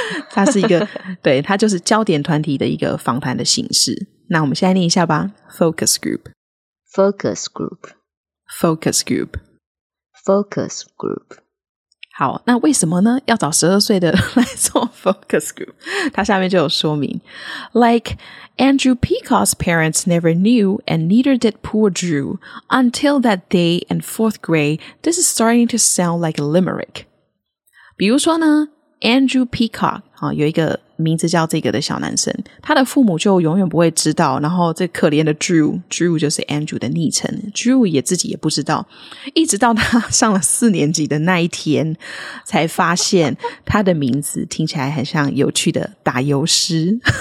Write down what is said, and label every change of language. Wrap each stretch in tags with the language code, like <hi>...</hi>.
<zh>它是一个，对，它就是焦点团体的一个访谈的形式。那我们现在念一下吧 ，focus group。</zh> <en>Focus group. Focus group. Focus group.</en> <zh>好，那为什么呢？要找十二岁的来做 focus group? 他下面就有说明。</zh> <en>Like, Andrew Peacock's parents never knew and neither did poor Drew until that day in fourth grade. This is starting to sound like a limerick.</en> <zh>比如说呢， Andrew Peacock,有一个名字叫这个的小男生，他的父母就永远不会知道，然后这可怜的 Drew 就是 Andrew 的昵称， Drew 也自己也不知道，一直到他上了四年级的那一天才发现他的名字听起来很像有趣的打油诗。</zh>